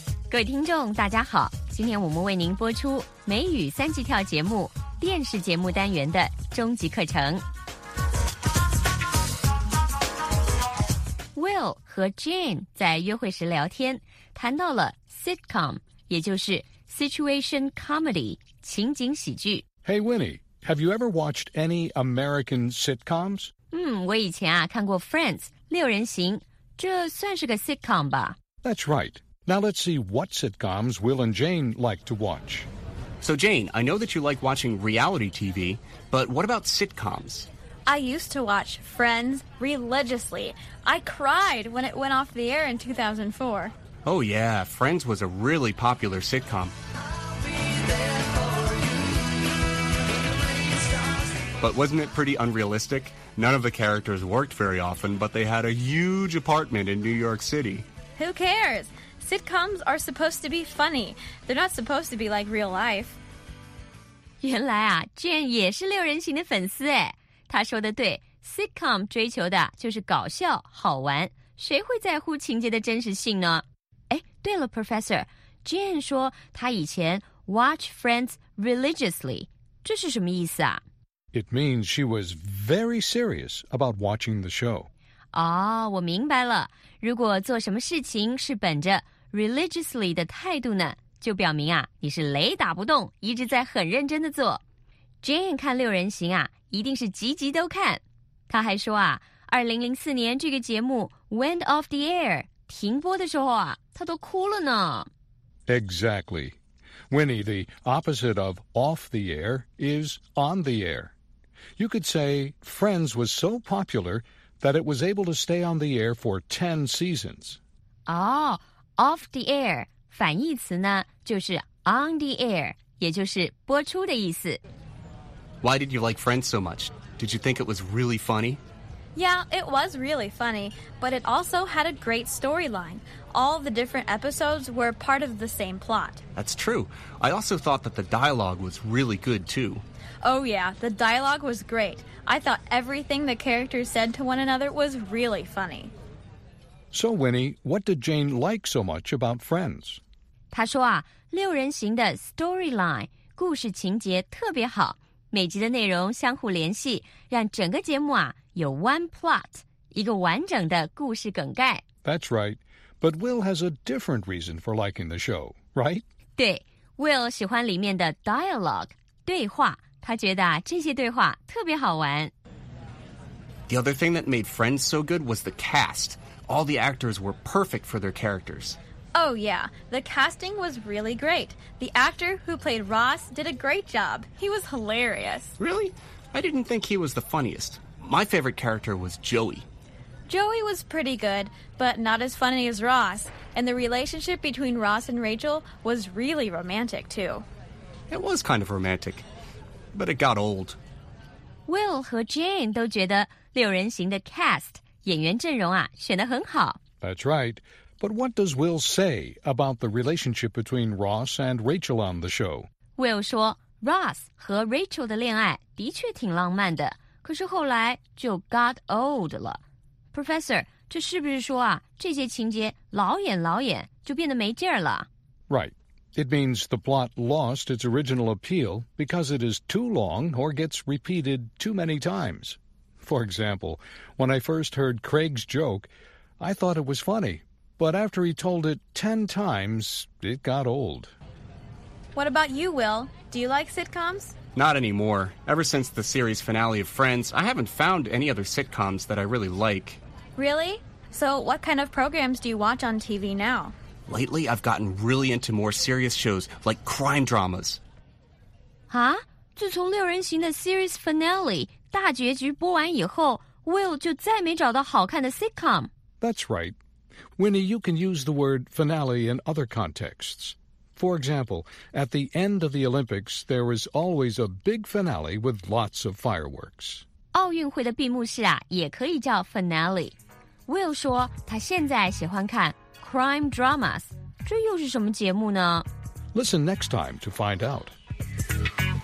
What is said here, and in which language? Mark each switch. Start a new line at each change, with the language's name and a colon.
Chinese: 各位听众大家好，今天我们为您播出美语三级跳节目电视节目单元的终极课程。 Will 和 Jane 在约会时聊天，谈到了 sitcom， 也就是
English: situation comedy，
Chinese: 情景喜剧。
English: Hey Winnie, have you ever watched any American sitcoms?
Chinese: 我以前啊看过 Friends， 六人行，这算是个 sitcom 吧？
English: That's right. Now let's see what sitcoms Will and Jane like to watch. So Jane, I know that you like watching reality TV, but what about sitcoms? I used to watch Friends religiously. I cried when it went off the air in 2004. Oh yeah, Friends was a really popular sitcom. But wasn't it pretty unrealistic? None of the characters worked very often, but they had a huge apartment in New York City. Who cares? Sitcoms are supposed to be funny. They're not supposed to be like real life.
Chinese: 原来啊 ，Jane 也是六人行的粉丝哎。他说的对 ，sitcom 追求的就是搞笑好玩，谁会在乎情节的真实性呢？哎，对了 ，Professor Jane 说他以前
English: watch Friends religiously，
Chinese: 这是什么意思啊
English: ？It means she was very serious about watching the show.
Chinese: 哦，我明白了。如果做什么事情是本着 religiously 的态度呢，就表明啊你是雷打不动，一直在很认真的做。 Jane 看六人行啊。一定是集集都看。他还说啊，2004年这个节目
English: went off the air
Chinese: 停播的时候啊，他都哭了呢。
English: Exactly, Winnie. The opposite of off the air is on the air. You could say Friends was so popular that it was able to stay on the air for 10 seasons.
Chinese: Oh,
English: off the air
Chinese: 反义词呢，就是
English: on the air，
Chinese: 也就是播出的意思。
English: Why did you like Friends so much? Did you think it was really funny? Yeah, it was really funny, but it also had a great storyline. All the different episodes were part of the same plot. That's true. I also thought that the dialogue was really good, too. Oh, yeah, the dialogue was great. I thought everything the characters said to one another was really funny. So, Winnie, what did Jane like so much about Friends?
Chinese: 她说啊，六人行的 storyline, 故事情节特别好。每集的内容相互联系，让整个节目啊有
English: one plot，
Chinese: 一个完整的故事梗概。
English: That's right, but Will has a different reason for liking the show, right?
Chinese: 对 ，Will 喜欢里面的 dialogue 对话，他觉得啊这些对话特别好玩。
English: The other thing that made Friends so good was the cast. All the actors were perfect for their characters. Oh yeah, the casting was really great. The actor who played Ross did a great job. He was hilarious. Really? I didn't think he was the funniest. My favorite character was Joey. Joey was pretty good, but not as funny as Ross. And the relationship between Ross and Rachel was really romantic, too. It was kind of romantic, but it got old.
Chinese: Will 和 Jane 都觉得六人行的 cast, 演员阵容啊选得很好。
English: That's right. But what does Will say about the relationship between Ross and Rachel on the show?
Chinese: Will 说 Ross 和 Rachel 的恋爱的确挺浪漫的，可是后来就
English: got old
Chinese: 了。 Professor, 这是不是说啊，这些情节老演老演就变得没劲儿了？
English: Right. It means the plot lost its original appeal because it is too long or gets repeated too many times. For example, when I first heard Craig's joke, I thought it was funny. But after he told it 10 times, it got old. What about you, Will? Do you like sitcoms? Not anymore. Ever since the series finale of Friends, I haven't found any other sitcoms that I really like. Really? So what kind of programs do you watch on TV now? Lately, I've gotten really into more serious shows, like crime dramas. Huh?
Chinese: 自从六人行的
English: series finale,
Chinese: 大结局播完以后 ,Will 就再没找到好看的 sitcom.
English: That's right. Winnie, you can use the word finale in other contexts. For example, at the end of the Olympics, there is always a big finale with lots of fireworks.
Chinese: 奥运会的闭幕式啊，也可以叫 finale. Will 说他现在喜欢看
English: crime dramas.
Chinese: 这又是什么节目呢？
English: Listen next time to find out.